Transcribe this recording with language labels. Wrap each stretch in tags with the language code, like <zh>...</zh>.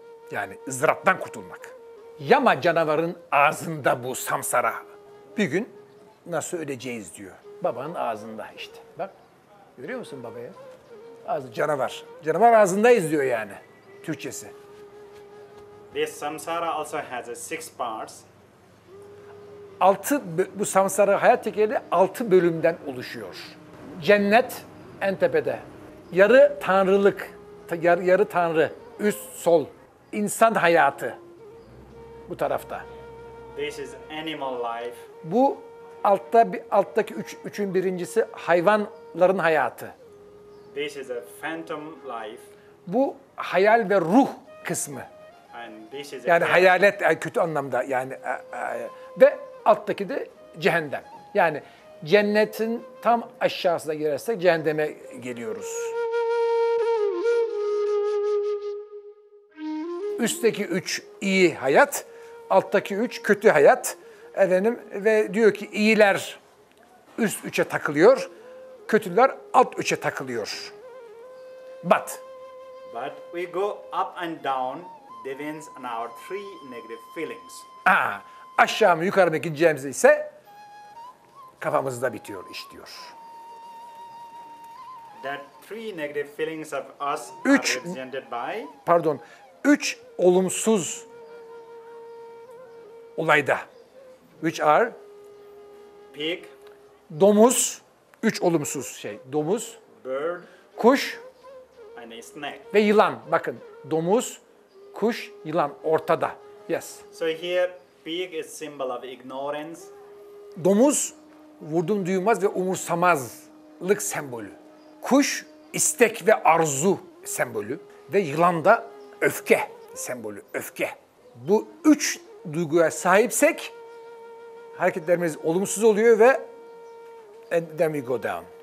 <tr>Yani ızdıraptan kurtulmak. Yama canavarın ağzında bu samsara. Bir gün nasıl öleceğiz diyor. Babanın ağzında işte. Bak, görüyor musun babayı? Ağzı canavar. Canavar ağzındayız diyor yani. Türkçesi.</tr> <en>This samsara also has six parts.</en> <tr>Altı, bu samsara hayat tekeri altı bölümden oluşuyor. Cennet en tepede. Yarı tanrılık. Yarı tanrı. Üst, sol. İnsan hayatı. Bu tarafta.</tr> <en>This is animal life.</en> <tr>Bu altta, bir alttaki üçün birincisi hayvanların hayatı.</tr> <en>This is a phantom life.</en> <tr>Bu hayal ve ruh kısmı.</tr> <en>And this is,</en> <tr>yani hayalet, yani kötü anlamda yani, ve alttaki de cehennem. Yani cennetin tam aşağısına girersek cehenneme geliyoruz. Üstteki üç iyi hayat, alttaki üç kötü hayat. Efendim, ve diyor ki iyiler üst üçe takılıyor, kötüler alt üçe takılıyor.</tr> <en>But. But we go up and down, depends on our three negative feelings.</en> <tr>Aşağı mı yukarı mı gideceğimiz ise kafamızda bitiyor iş diyor.</tr> <en>That three negative feelings of us üç, are represented by.</en> <tr>Pardon. Üç olumsuz olayda.</tr> <en>Which are? Pig.</en> <tr>Domuz. Üç olumsuz şey. Domuz.</tr> <en>Bird.</en> <tr>Kuş.</tr> <en>And a snake.</en> <tr>Ve yılan. Bakın. Domuz, kuş, yılan. Ortada. Yes.</tr> <en>So here pig is symbol of ignorance.</en> <tr>Domuz vurdum duymaz ve umursamazlık sembolü. Kuş istek ve arzu sembolü. Ve yılan da öfke sembolü, öfke. Bu üç duyguya sahipsek hareketlerimiz olumsuz oluyor ve</tr> <en>and then we go down.</en>